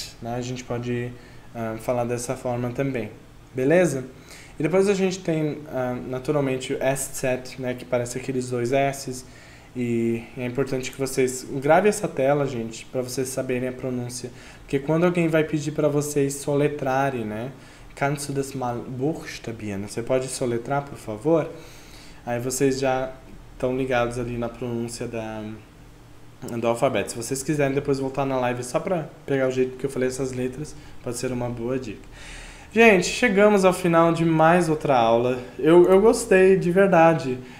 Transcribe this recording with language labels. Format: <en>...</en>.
<pt>Né? A gente pode falar dessa forma também, beleza? E depois a gente tem naturalmente o S, Z, né? Que parece aqueles dois S's, E é importante que vocês gravem essa tela, gente, para vocês saberem a pronúncia. Porque quando alguém vai pedir para vocês soletrarem, né?</pt> <de>Kannst du das mal buchstabieren?</de> <pt>Você pode soletrar, por favor? Aí vocês já estão ligados ali na pronúncia do alfabeto. Se vocês quiserem depois voltar na live só para pegar o jeito que eu falei essas letras, pode ser uma boa dica. Gente, chegamos ao final de mais outra aula. Eu gostei, de verdade.</pt>